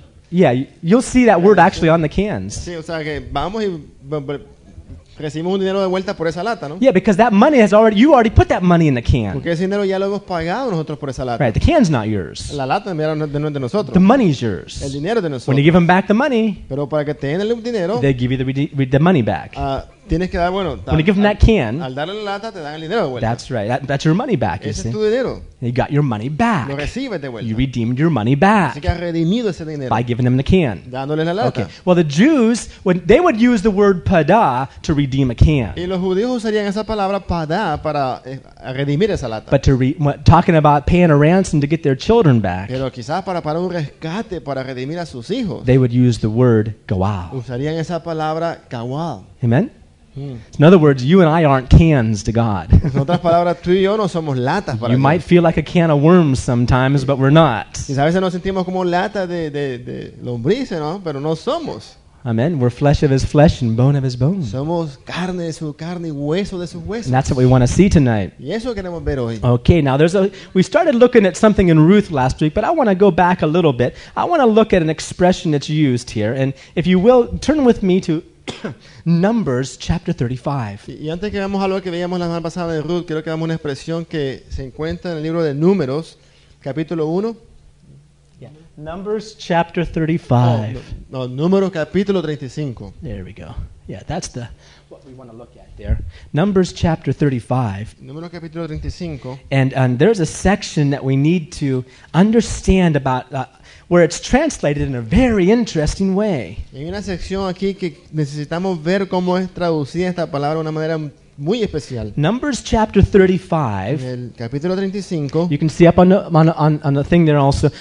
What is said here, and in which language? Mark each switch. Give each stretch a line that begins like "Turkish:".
English: Yeah, you'll see that word actually on the cans.
Spanish: Sí, o sea que vamos y recibimos un dinero de vuelta por esa lata, ¿no?
English: Yeah, because that money has already, you already put that money in the can.
Spanish: Porque ese dinero ya lo hemos pagado nosotros por esa lata.
English: Right, the can's not yours.
Spanish: La lata no es de nosotros.
English: The money's yours.
Spanish: El dinero de nosotros.
English: When you give them back the money,
Spanish: pero para que tengan el dinero,
English: they give you the money back.
Spanish: Tienes que dar, bueno,
English: when you give them that can,
Spanish: al darle la lata, te dan el dinero de vuelta.
English: That's right, that's your money back,
Spanish: ese es tu dinero.
English: You got your money back.
Spanish: Lo recibes de vuelta.
English: You redeemed your money back.
Spanish: Así que has redimido ese dinero.
English: By giving them the can.
Spanish: Dándole la lata.
English: Okay. Well, the Jews, when they would use the word pada to redeem a can.
Spanish: Y los judíos usarían esa palabra pada para redimir esa lata.
English: But talking about paying a ransom to get their children back.
Spanish: Pero quizás para pagar un rescate para redimir a sus hijos.
English: They would use the word goal.
Spanish: Usarían esa palabra goal.
English: Amen. In other words, you and I aren't cans to God.
Spanish: En otras palabras, tú y yo no somos latas para
English: you
Spanish: Dios.
English: Might feel like a can of worms sometimes, but we're not.
Spanish: Y a veces nos sentimos como lata de lombrices, ¿no? Pero no somos.
English: Amen. We're flesh of his flesh and bone of his bone.
Spanish: Somos carne de su carne y hueso de su hueso.
English: And that's what we want to see tonight.
Spanish: Y eso queremos ver hoy.
English: Okay, now we started looking at something in Ruth last week, but I want to go back a little bit. I want to look at an expression that's used here. And if you will, turn with me to Numbers chapter 35.
Spanish: Y antes que veamos algo que veíamos la semana pasada de Ruth, quiero que veamos una expresión que se encuentra en el libro de Números, capítulo 1.
English: Yeah. Numbers chapter 35.
Spanish: No, Números capítulo 35.
English: There we go. Yeah, that's the what we want to look at there. Numbers chapter 35.
Spanish: Números capítulo 35.
English: And there's a section that we need to understand about where it's translated in a very interesting way.
Spanish: Hay una sección aquí que necesitamos ver cómo es traducida esta palabra de una manera muy especial.
English: Numbers chapter 35.
Spanish: El capítulo 35.
English: You can see up on the thing there also.